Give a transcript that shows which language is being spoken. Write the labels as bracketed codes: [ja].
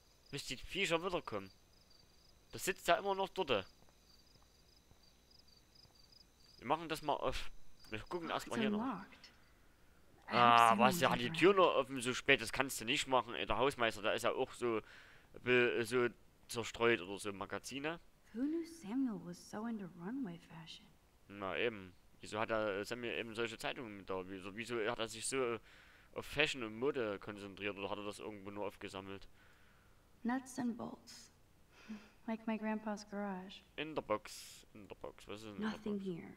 [de] Bis die Viecher wiederkommen. Das sitzt da immer noch dort. Wir machen das mal auf. Wir gucken erstmal hier noch. Ah, was, ja, die Tür noch offen so spät, das kannst du nicht machen. Der Hausmeister, der ist ja auch so, so zerstreut oder so, Magazine. [en] Who knew Samuel was so into runway fashion? [de] Na eben, wieso hat er Samuel eben solche Zeitungen mit da? Wieso hat er sich so auf Fashion und Mode konzentriert oder hat er das irgendwo nur aufgesammelt? [en] Nuts and bolts. Like my grandpa's garage. [de] In der Box, was ist denn in [en] Nothing [de] der Box? [en] Here.